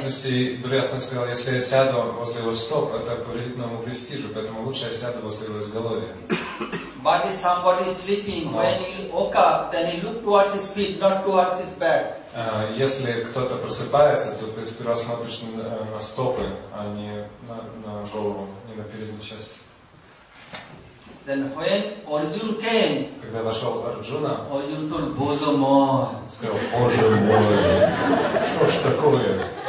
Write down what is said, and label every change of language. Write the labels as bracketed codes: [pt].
[ru] То есть Дурьотхана сказал, если я сяду возле его стоп, это повредит моему престижу, поэтому лучше я сяду возле его изголовья. [en] But if somebody is sleeping, when he woke up, then he looked towards his feet, not towards his back. [ru] Если кто-то просыпается, то ты сперва смотришь на стопы, а не на голову, не на переднюю часть. [en] Then when Arjuna came, [ru] когда вошел Арджуна, [en] Arjuna told, [ru] Боже мой, сказал, Боже мой, что ж такое?